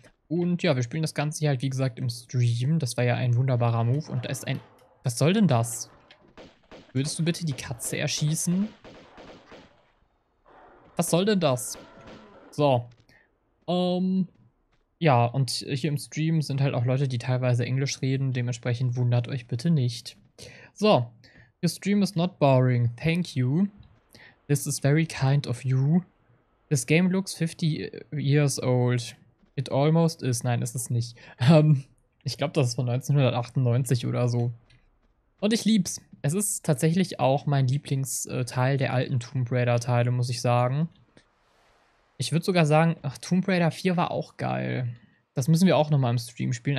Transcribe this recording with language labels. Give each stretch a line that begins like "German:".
German: Und ja, wir spielen das Ganze hier halt, wie gesagt, im Stream. Das war ja ein wunderbarer Move. Und da ist ein. Was soll denn das? Würdest du bitte die Katze erschießen? Was soll denn das? So. Ja, und hier im Stream sind halt auch Leute, die teilweise Englisch reden. Dementsprechend wundert euch bitte nicht. So.
English: Your stream is not boring. Thank you. This is very kind of you. This game looks 50 years old. It almost is.
German: Nein, ist es nicht. Ich glaube, das ist von 1998 oder so. Und ich lieb's. Es ist tatsächlich auch mein Lieblingsteil der alten Tomb Raider-Teile, muss ich sagen. Ich würde sogar sagen, ach, Tomb Raider 4 war auch geil. Das müssen wir auch nochmal im Stream spielen.